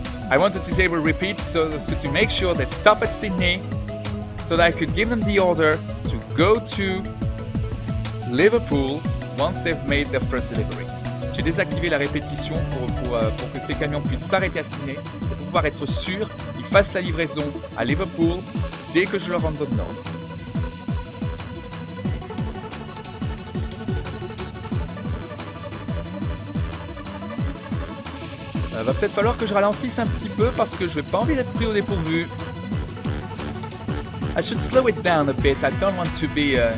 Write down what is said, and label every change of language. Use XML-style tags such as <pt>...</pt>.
<en>I want to disable repeat so to make sure they stop at Sydney, so that I could give them the order to go to Liverpool, once they've made their first delivery.</en> <fr>J'ai désactivé la répétition pour que ces camions puissent s'arrêter à Sydney, pour pouvoir être sûr qu'ils fassent la livraison à Liverpool dès que je leur en donne l'ordre. Va peut-être falloir que je ralentisse un petit peu parce que je n'ai pas envie d'être pris au dépourvu.</fr> <en>I should slow it down a bit, I don't want to be...</en>